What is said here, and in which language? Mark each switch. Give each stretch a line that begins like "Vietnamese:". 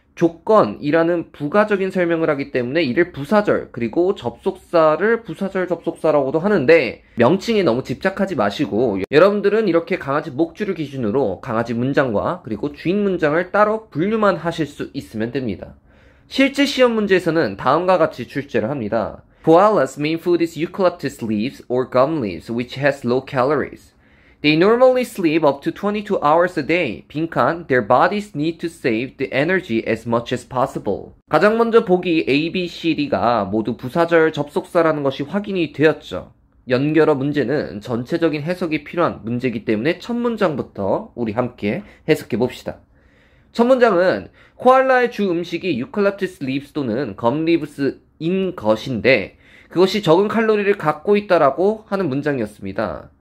Korean: 조건이라는 부가적인 설명을 하기 때문에 이를 부사절 그리고 접속사를 부사절 접속사라고도 하는데 명칭에 너무 집착하지 마시고 여러분들은 이렇게 강아지 목줄을 기준으로 강아지 문장과 그리고 주인 문장을 따로 분류만 하실 수 있으면 됩니다. 실제 시험 문제에서는 다음과 같이 출제를 합니다.
English: Koala's main food is eucalyptus leaves or gum leaves, which has low calories. They normally sleep up to 22 hours a day. 빈칸, their bodies need to save the energy as much as possible.
Korean: 가장 먼저 보기 A, B, C, D가 모두 부사절 접속사라는 것이 확인이 되었죠. 연결어 문제는 전체적인 해석이 필요한 문제이기 때문에 첫 문장부터 우리 함께 해석해 봅시다. 첫 문장은 코알라의 주 음식이 eucalyptus leaves 또는 gum leaves인 것인데 그것이 적은 칼로리를 갖고 있다라고 하는 문장이었습니다.